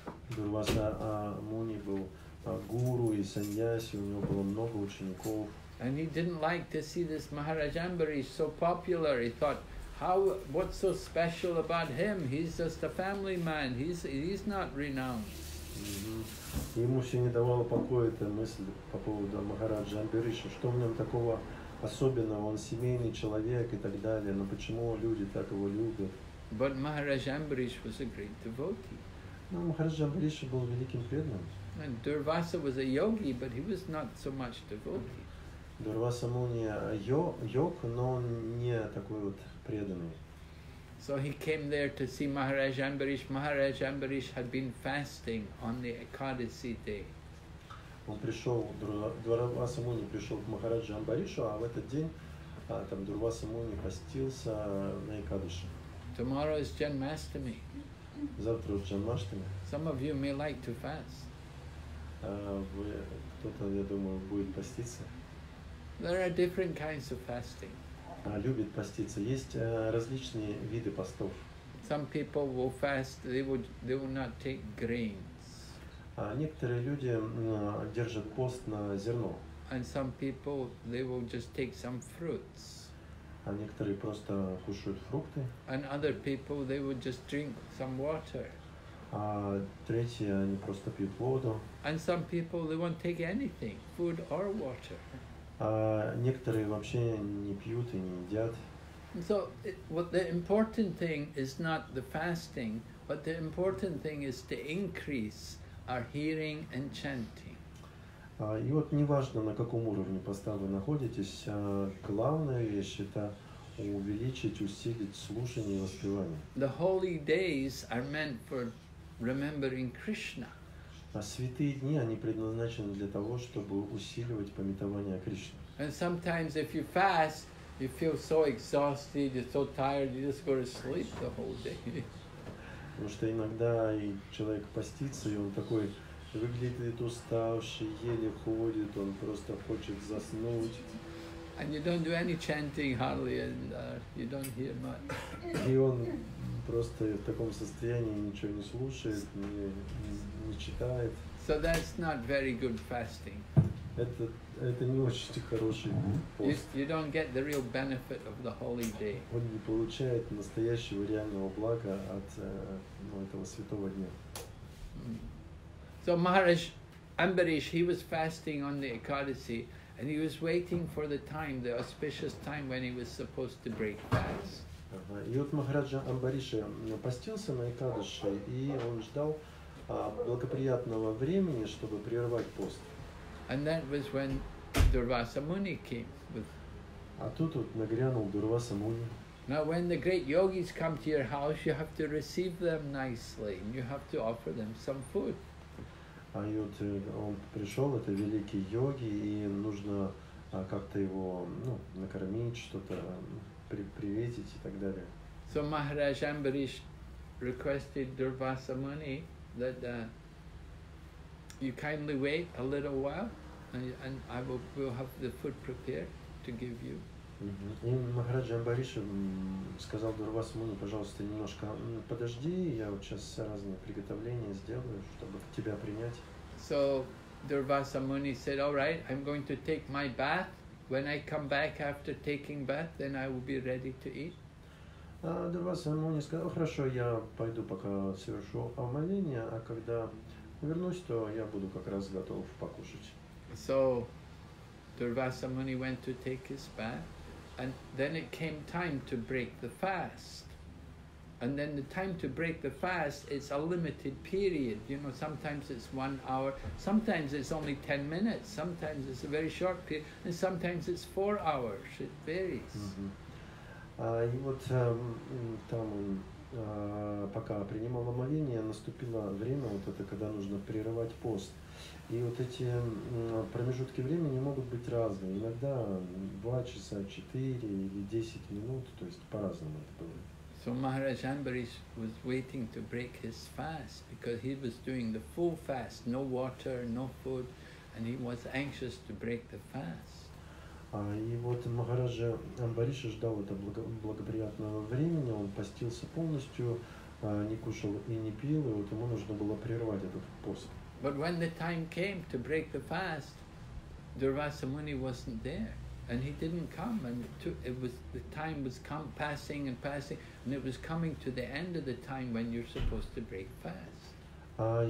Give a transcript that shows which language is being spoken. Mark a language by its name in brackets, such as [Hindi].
[Russian] Durvasa Muni был гуру и сандьяси, у него было много учеников. [English] And he didn't like to see this Maharaj Ambarish so popular. He thought, what's so special about him? He's just a family man, he's not renowned. Mm-hmm. [Russian] Ему все не давало покоя эта мысль по поводу Махараджа Амбариша. Что в нем такого особенно, он семейный человек и так далее, но почему люди так его любят? [English] But Maharaj Ambarish was a great devotee. [Russian] Но Махарадж Амбариш был великим преданным. [English] And Durvasa was a yogi, but he was not so much devotee. [Russian] Durvasa Muni йог, но он не такой вот преданный. [English] So he came there to see Maharaj Ambarish. Maharaj Ambarish had been fasting on the Ekadasi day. [Russian] Он пришел, Дурваса Муни пришел к Махараджу Амбаришу, а в этот день там Дурваса Муни постился на Экадаши. [English] Tomorrow is Janmashtami. [Russian] Завтра Джанмаштами. [English] Some of you may like to fast. [Russian] Кто-то, я думаю, будет поститься. [English] There are different kinds of fasting. [Russian] Любит поститься. Есть различные виды постов. [English] Some people will fast, they will not take grain. [Russian] Некоторые люди держат пост на зерно. [English] And some people, they will just take some fruits. [Russian] А некоторые просто кушают фрукты. [English] And other people, they will just drink some water. [Russian] А третьи, они просто пьют воду. [English] And some people, they won't take anything, food or water. [Russian] А некоторые вообще не пьют и не едят. [English] So, what the important thing is not the fasting, but the important thing is to increase are hearing and chanting. [Russian] И вот неважно, на каком уровне поста вы находитесь, главная вещь — это увеличить, усилить слушание и воспевание. [English] The holy days are meant for remembering Krishna. [Russian] А святые дни, они предназначены для того, чтобы усиливать памятование о Кришне. [English] And sometimes if you fast, you feel so exhausted, you're so tired, you just go to sleep the whole day. [Russian] Потому что иногда и человек постится, и он такой выглядит уставший, еле ходит, он просто хочет заснуть. [English] And you don't do any chanting hardly, and you don't hear much. [Russian] И он просто в таком состоянии ничего не слушает, не читает. [English] So that's not very good fasting. [Russian] Это не очень хороший пост. [English] You don't get the real benefit of the holy day. [Russian] Он не получает настоящего реального блага от этого святого дня. [English] So Maharaj Ambarish, he was fasting on the Ekadasi, and he was waiting for the time, the auspicious time when he was supposed to break fast. [Russian] И вот Махараджа Амбариша постился на Экадаши, и он ждал благоприятного времени, чтобы прервать пост. [English] And that was when Durvasa Muni came with. [Russian] А тут вот нагрянул Дурваса Муни. [English] Now when the great yogis come to your house, you have to receive them nicely, and you have to offer them some food. [Russian] А вот он пришел, это великий йоги, и нужно как-то его, накормить, что-то приветить и так далее. [English] So Maharaj Ambarish requested Durvasa Muni that you kindly wait a little while, and I will have the food prepared to give you. [Russian] И Махарадж Амбариш сказал Дурвасу Муни, пожалуйста, немножко подожди, я вот сейчас разные приготовления сделаю, чтобы тебя принять. [English] So Дурваса Муни said, all right, I'm going to take my bath. When I come back after taking bath, then I will be ready to eat. Дурваса Муни сказал, хорошо, я пойду пока совершу омовение, а когда вернусь, то я буду как раз готов покушать. So Durvasa Muni went to take his bath, and then it came time to break the fast. And then the time to break the fast is a limited period. You know, sometimes it's 1 hour, sometimes it's only 10 minutes, sometimes it's a very short period, and sometimes it's 4 hours. It varies. [Russian] И вот там он пока принимал омовение, наступило время, вот это когда нужно прерывать пост. И вот эти промежутки времени могут быть разные. Иногда 2 часа, 4 или 10 минут, то есть по-разному это бывает. [English] So Maharaj Ambarish was waiting to break his fast because he was doing the full fast, no water, no food, and he was anxious to break the fast. [Russian] И вот Махараджа Амбариша ждал это благоприятного времени, он постился полностью, не кушал и не пил, и вот ему нужно было прервать этот пост. [English] But when the time came to break the fast, Durvasa Muni wasn't there. And he didn't come, and the time was passing, and it was coming to the end of the time when you're supposed to break fast.